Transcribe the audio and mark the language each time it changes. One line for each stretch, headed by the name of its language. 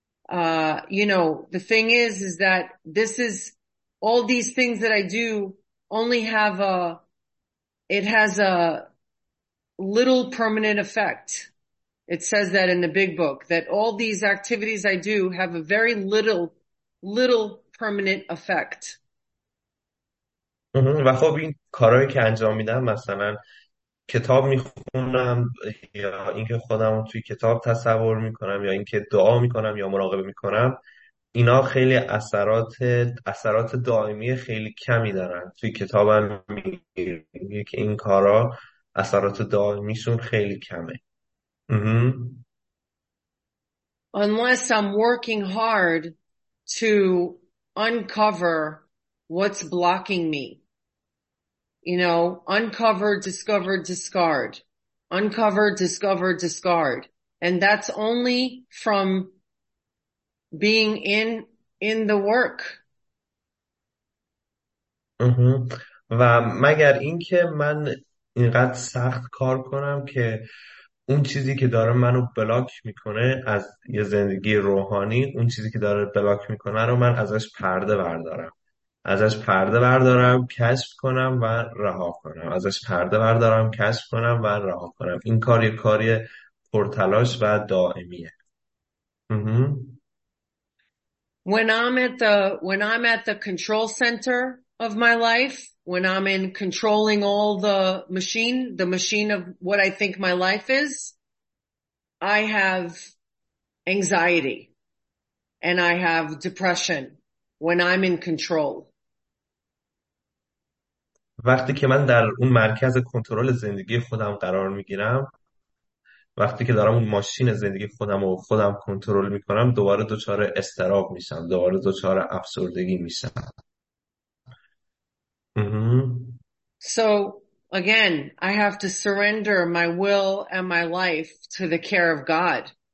English: You know, the thing is that this is all these things that I do only have a little permanent effect. It says that in the big book, that all these activities I do have a very little permanent effect.
Persian: و خب این کارهایی که انجام میدم، مثلا کتاب میخونم یا اینکه خودم توی کتاب تصور میکنم یا اینکه دعا میکنم یا مراقبه میکنم، اینا خیلی اثرات دائمی خیلی کمی دارن. توی کتابم میگه که این کارا اثرات دائمیشون خیلی کمه.
English: Unless I'm working hard to uncover what's blocking me. You know, uncover, discover, discard. Uncover, discover, discard. And that's only from being in the work.
Persian: و مگر اینکه من اینقدر سخت کار کنم که اون چیزی که داره منو بلاک میکنه از یه زندگی روحانی، اون چیزی که داره بلاک میکنه رو من ازش پرده بردارم. ازش پرده بردارم، کشف کنم و رها کنم. ازش پرده بردارم، کشف کنم و رها کنم. این کار یه کاری پرتلاش و دائمیه.
English: When I'm at the control center of my life, when I'm in controlling all the machine of what I think my life is, I have anxiety and I have depression when I'm in control.
Persian: وقتی که من در اون مرکز کنترل زندگی خودم قرار میگیرم، وقتی که دارم اون ماشین زندگی خودم و خودم کنترل میکنم، دوباره دچار استراب میشم، دوباره دچار افسردگی میشم.
English: So again, I have to surrender my will and my life to the care of God.